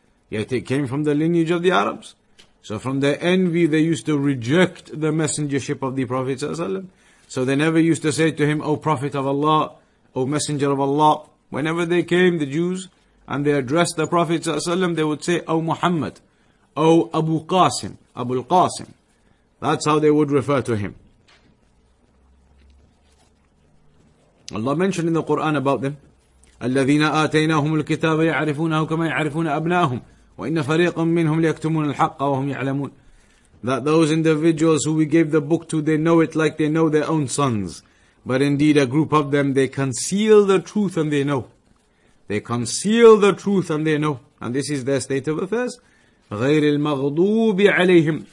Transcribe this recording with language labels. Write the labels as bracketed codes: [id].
[en] Yet it came from the lineage of the Arabs. So from their envy, they used to reject the messengership of the Prophet ﷺ. So they never used to say to him, O Prophet of Allah, O Messenger of Allah. Whenever they came, the Jews, and they addressed the Prophet ﷺ, they would say, O Muhammad, O Abu Qasim, Abu al-Qasim. That's how they would refer to him. [ar] Allah mentioned in the Quran about them, الَّذِينَ آتَيْنَاهُمُ الْكِتَابَ يَعْرِفُونَهُ كَمَا يَعْرِفُونَ أَبْنَاهُمْ وَإِنَّ فَرِيقًا مِّنْهُمْ لِيَكْتُمُونَ الْحَقَّ وَهُمْ يَعْلَمُونَ. [en] That those individuals who we gave the book to, they know it like they know their own sons. But indeed a group of them, they conceal the truth and they know. They conceal the truth and they know. And this is their state of affairs. [ar] غَيْرِ الْمَغْضُوبِ عَلَيْهِمْ.